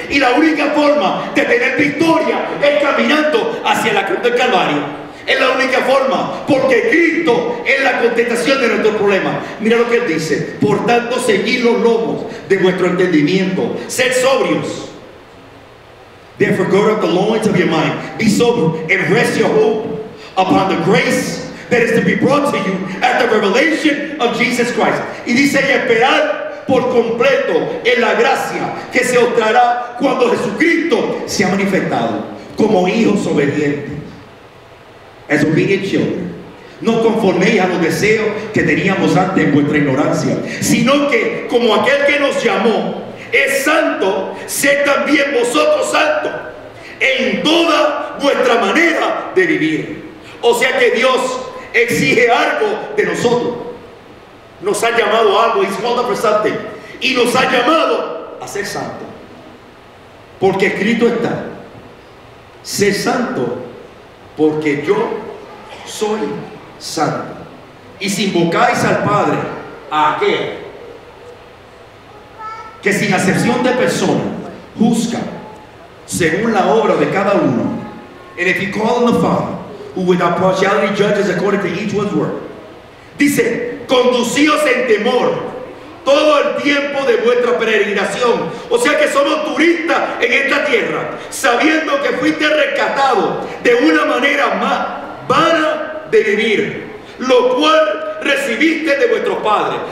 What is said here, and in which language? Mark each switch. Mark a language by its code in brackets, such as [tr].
[es] Y la única forma de tener victoria es caminando hacia la cruz del Calvario. Es la única forma, porque Cristo es la contestación de nuestro problema. Mira lo que él dice, por tanto, seguid los lomos de vuestro entendimiento, sed sobrios. [en] Therefore, gird up the loins of your mind, be sober, and rest your hope upon the grace that is to be brought to you at the revelation of Jesus Christ. [es] Y dice, y esperad por completo en la gracia que se os traerá cuando Jesucristo se ha manifestado como hijos obedientes. [en] As obedient children, [es] no conforméis a los deseos que teníamos antes en vuestra ignorancia, sino que como aquel que nos llamó es santo, sed también vosotros santos en toda vuestra manera de vivir. O sea que Dios exige algo de nosotros. Nos ha llamado algo, es [en] called for something, [es] y nos ha llamado a ser santo. Porque escrito está: sé santo porque yo soy santo. Y si invocáis al Padre, ¿a qué? Que sin acepción de persona juzga según la obra de cada uno. [en] And if you call on the Father, who without partiality judges according to each one's work. [es] Dice: conducíos en temor todo el tiempo de vuestra peregrinación. O sea que somos turistas en esta tierra, sabiendo que fuiste rescatado de una manera más vana de vivir, lo cual recibiste de vuestro padre.